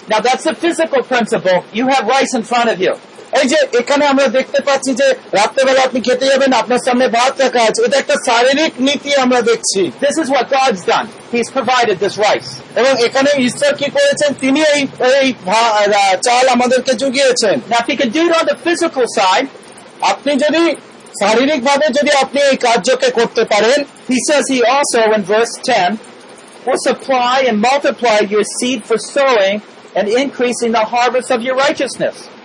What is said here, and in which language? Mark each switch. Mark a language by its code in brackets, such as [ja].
[en] Now that's a physical principle. You have rice in front of you. [bn] এই যে এখানে আমরা দেখতে পাচ্ছি যে রাত্রেবেলা আপনি খেতে যাবেন, আপনার সামনে ভাত রাখা আছে, এটা একটা শারীরিক নীতি আমরা দেখছি। [en] This is what God's done. He's provided this rice. [bn] এবং এখানে ঈশ্বর কি করেছেন, তিনি এই এই চাল আমাদেরকে জুগিয়েছেন। [en] Now if you can do it on the physical side, [bn] আপনি যদি শারীরিক ভাবে যদি আপনি এই কার্যকে করতে পারেন, [en] He says he also in verse 10 will supply and multiply your seed for sowing and increasing the harvest of your righteousness.